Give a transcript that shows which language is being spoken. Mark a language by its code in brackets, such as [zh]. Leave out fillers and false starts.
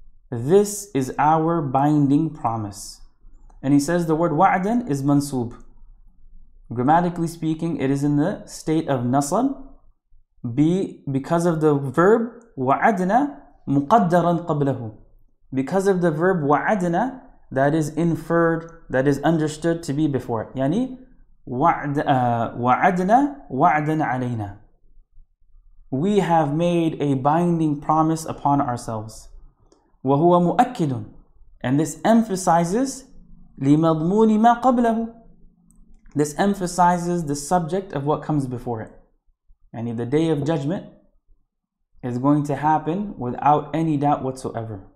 [en] This is our binding promise. And he says the word وَعْدًا is mansub. Grammatically speaking, it is in the state of nasab because of the verb [ar] وَعَدْنَا مُقَدَّرًا قَبْلَهُ. [en] Because of the verb وَعَدْنَا, that is inferred, that is understood to be before. [ar] Yani وَعَدْنَا وَعْدًا عَلَيْنَا. [en] We have made a binding promise upon ourselves. [ar] وَهُوَ مُؤَكِّدٌ. [en] And this emphasizes [ar] لِمَضْمُونِ مَا قَبْلَهُ. [en] This emphasizes the subject of what comes before it. And the day of judgment is going to happen without any doubt whatsoever.